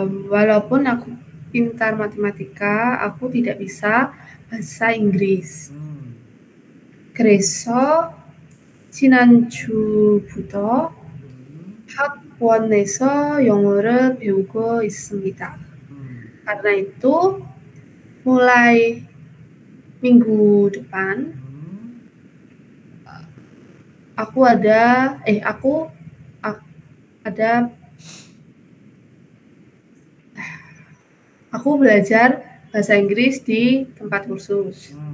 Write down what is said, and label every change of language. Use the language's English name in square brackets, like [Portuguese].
[Indonesian] Walaupun aku pintar matematika, aku tidak bisa bahasa Inggris. [Korean] Kreso, 지난주부터 학원에서 영어를 배우고 있습니다. [Indonesian] Karena itu, mulai minggu depan, aku belajar bahasa Inggris di tempat kursus.